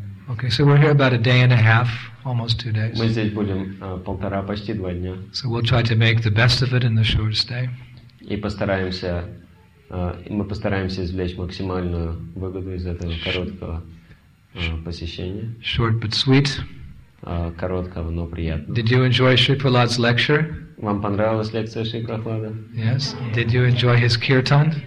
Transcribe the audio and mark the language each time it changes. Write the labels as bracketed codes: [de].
[en] Okay, so we're here about a day and a half, almost 2 days. [ru] Мы здесь будем полтора, почти 2 дня. [en] So we'll try to make the best of it in the short stay. [ru] И постараемся, мы постараемся извлечь максимальную выгоду из этого короткого посещения. [en] Short but sweet. [ru] Короткого, но приятного. [en] Did you enjoy Shri Prahlad's lecture? [ru] Вам понравилась лекция Шри Прохлада? [en] Yes. Did you enjoy his kirtan?